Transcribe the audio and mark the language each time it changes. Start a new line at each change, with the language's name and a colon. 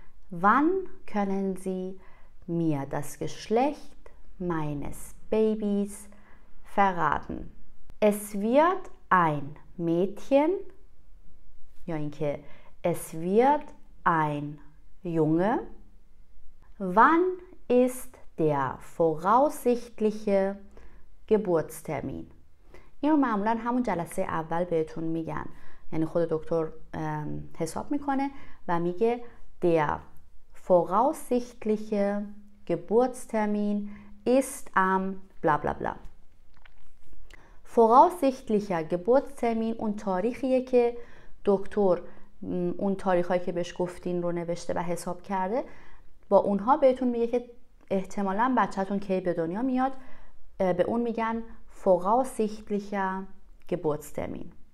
German: Wann können Sie mir das Geschlecht meines Babys verraten? Es wird ein Mädchen, Joinke, es wird ein Junge. Wann ist der voraussichtliche Geburtstermin?
Persian: اینو معمولا همون جلسه اول بهتون میگن. یعنی خود دکتر حساب میکنه و میگه
German: der voraussichtliche Geburtstermin ist am bla bla bla.
Persian: Voraussichtlicher Geburtstermin اون تاریخیه که دکتر اون تاریخایی که بهش گفتین رو نوشته و حساب کرده با اونها بهتون میگه که احتمالا بچهتون کی به دنیا میاد به اون میگن voraussichtlicher Geburtstermin.